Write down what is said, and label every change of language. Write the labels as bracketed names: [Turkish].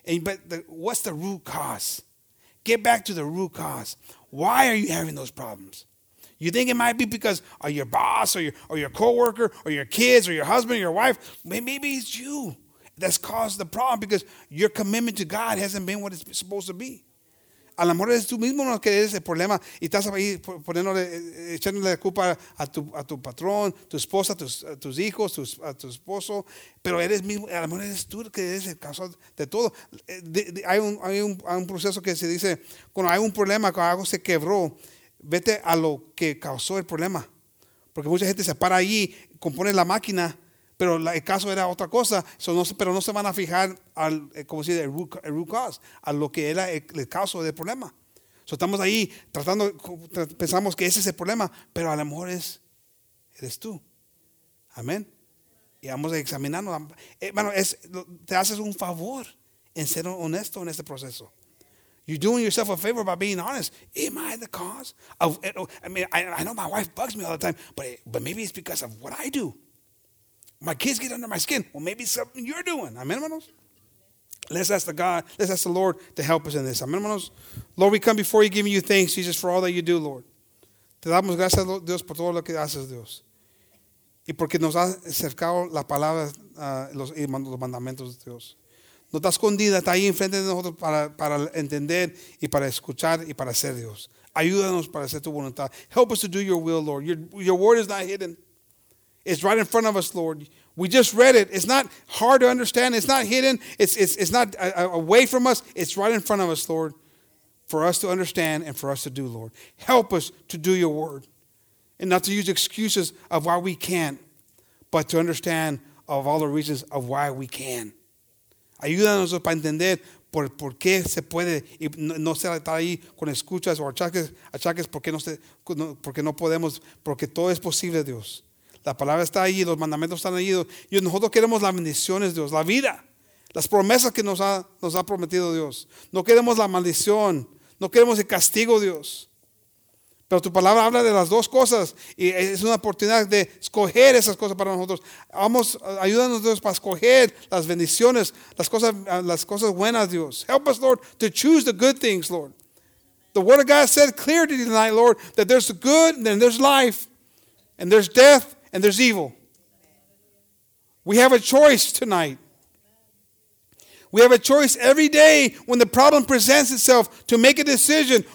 [English] But what's the root cause? Get back to the root cause. Why are you having those problems? You think it might be because of your boss, or your coworker, or your kids, or your husband, or your wife? Maybe it's you that's caused the problem because your commitment to God hasn't been what it's supposed to be. [Spanish] A lo mejor eres tú mismo lo que eres el problema y estás ahí poniéndole, echándole la culpa a tu patrón, tu esposa, a tus hijos, a tu esposo. Pero eres mismo, a lo mejor eres tú que eres el causa de todo. Hay un proceso que se dice, cuando hay un problema, cuando algo se quebró, vete a lo que causó el problema. Porque mucha gente se para ahí, compone la máquina, pero el caso era otra cosa, pero no se van a fijar al, como se dice, el root cause, a lo que era el caso del problema. So estamos ahí tratando, pensamos que ese es el problema, pero a lo mejor eres tú. Amén. Y vamos a examinarnos. Bueno, te haces un favor en ser honesto en este proceso. [English] You're doing yourself a favor by being honest. Am I the cause? I know my wife bugs me all the time, but maybe it's because of what I do. My kids get under my skin. Well, maybe it's something you're doing. Amen, hermanos? Let's ask the God, let's ask the Lord to help us in this. Amen, hermanos? Lord, we come before you giving you thanks, Jesus, for all that you do, Lord. [Spanish] Te damos gracias, Dios, por todo lo que haces, Dios. Y porque nos ha acercado la palabra, los mandamientos de Dios. No está escondida, está ahí enfrente de nosotros para entender y para escuchar y para hacer, Dios. Ayúdanos para hacer tu voluntad. [English] Help us to do your will, Lord. Your word is not hidden. It's right in front of us, Lord. We just read it. It's not hard to understand. It's not hidden. It's not away from us. It's right in front of us, Lord, for us to understand and for us to do, Lord. Help us to do your word and not to use excuses of why we can't, but to understand of all the reasons of why we can. [Spanish] Ayúdanos para entender por qué se puede y no se está ahí con escuchas o achaques porque no podemos, porque todo es posible, Dios. La palabra está ahí, los mandamientos están ahí. Y nosotros queremos las bendiciones, Dios, la vida, las promesas que nos ha prometido Dios. No queremos la maldición, no queremos el castigo, Dios. Pero tu palabra habla de las dos cosas y es una oportunidad de escoger esas cosas para nosotros. Vamos, ayúdanos, Dios, para escoger las bendiciones, las cosas buenas, Dios. [English] Help us, Lord, to choose the good things, Lord. The word of God said clearly tonight, Lord, that there's good and there's life and there's death. And there's evil. We have a choice tonight. We have a choice every day when the problem presents itself to make a decision.